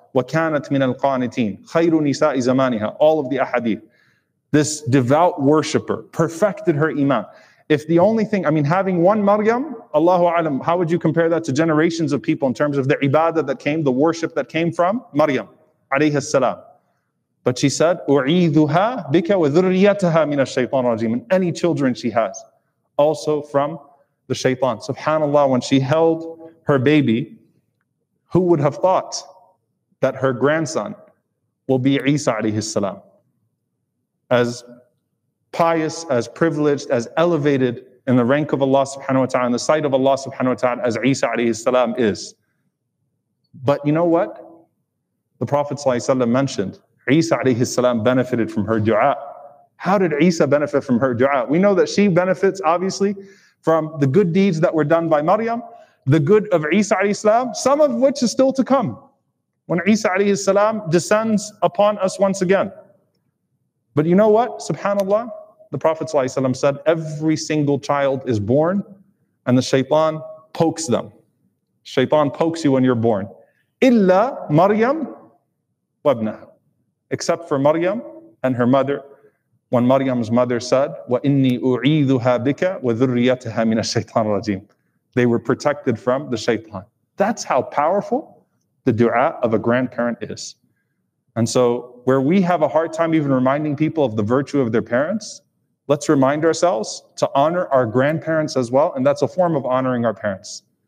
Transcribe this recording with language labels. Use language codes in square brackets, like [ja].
[ar] وَكَانَتْ مِنَ الْقَانِتِينَ خَيْرُ نِسَاءِ زَمَانِهَا. [en] All of the ahadith. This devout worshipper perfected her iman. If the only thing, I mean, having one Maryam, Allahu alam, how would you compare that to generations of people in terms of the ibadah that came, the worship that came from Maryam alayhi salam? But she said, [ar] أُعِيذُهَا بِكَ وَذُرِّيَّتَهَا مِنَ الشَّيْطَانِ الرَّجِيمِ. [en] And any children she has, also from the shaitan. SubhanAllah, when she held her baby, who would have thought that her grandson will be Isa alayhi salam? As pious, as privileged, as elevated in the rank of Allah subhanahu wa ta'ala, in the sight of Allah subhanahu wa ta'ala, as Isa alayhi salam is. But you know what? The Prophet sallallahu alayhi wa sallam mentioned, Isa alayhi salam benefited from her dua. How did Isa benefit from her dua? We know that she benefits, obviously, from the good deeds that were done by Maryam, the good of Isa alayhi salam, some of which is still to come when Isa alayhi salam descends upon us once again. But you know what? SubhanAllah, the Prophet sallallahu alayhi wa sallam said, every single child is born and the shaitan pokes them. Shaitan pokes you when you're born. [ar] Illa Maryam wa ibnaha. [en] Except for Maryam and her mother, when Maryam's mother said, [ar] وَإِنِّي أُعِيذُهَا بِكَ وَذُرِّيَّتَهَا مِنَ الشَّيْطَانِ الرَّجِيمِ. [en] They were protected from the shaitan. That's how powerful the dua of a grandparent is. And so where we have a hard time even reminding people of the virtue of their parents, let's remind ourselves to honor our grandparents as well, and that's a form of honoring our parents.